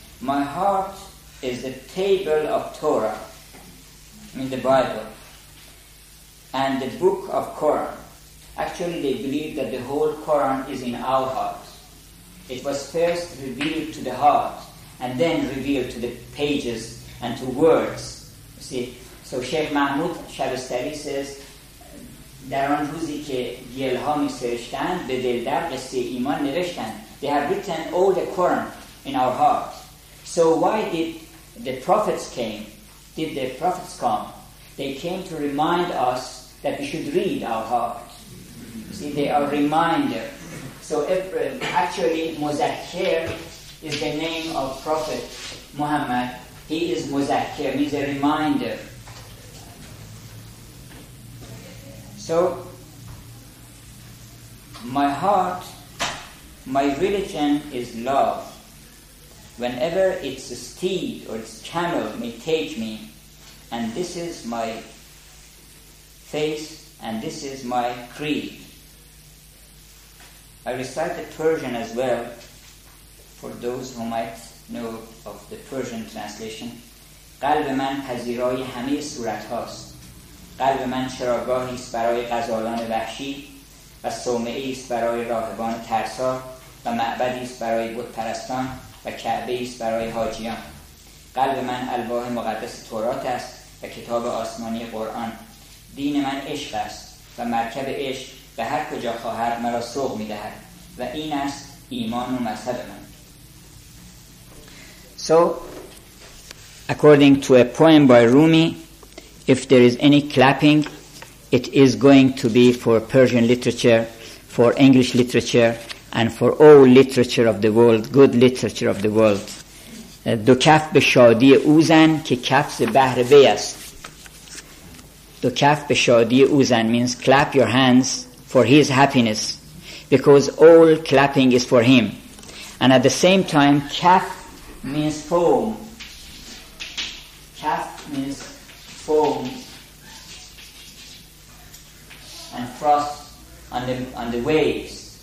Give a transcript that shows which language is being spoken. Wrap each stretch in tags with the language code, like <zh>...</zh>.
<en>My heart is the table of Torah, I mean the Bible, and the book of Quran. Actually, they believe that the whole Quran is in our heart. It was first revealed to the heart, and then revealed to the pages and to words. See, so Sheikh Mahmoud Shabastari says,</en> <fa>در آن روزی که گلها می سرشتند به دل در قصه ایمان نوشتند.</fa> <en>They have written all the Quran in our heart. So why did the prophets came? Did the prophets come? They came to remind us that we should read our heart. See, they are reminder. So actually, Muzakir is the name of Prophet Muhammad. He is Muzakir, means a reminder. So, my heart, my religion is love. Whenever its steed or its camel may take me, and this is my faith, and this is my creed. I recite the Persian as well, for those who might know of the Persian translation.</en> <fa>قلب من پذیرای همه صورت هاست. قلب من چراگاهی است برای غزالان وحشی و صومعه است برای راهبان ترسا و معبدی است برای بت پرستان و کعبه است برای حاجیان. قلب من الواح مقدس تورات است و کتاب آسمانی قرآن. دین من عشق است و مرکب عشق به هر کجا خواهد مرا سوق می‌دهد و این است ایمان و مذهب من.</fa> <en>So according to a poem by Rumi, if there is any clapping, it is going to be for Persian literature, for English literature, and for all literature of the world, good literature of the world.</en> <fa>دو کف به شادی اوزن که کف ز بحر بی است. دو کف به شادی اوزن</fa> <en>means clap your hands for his happiness, because all clapping is for him. And at the same time, kaf means foam. Kaf means foam and frost on the waves.</en>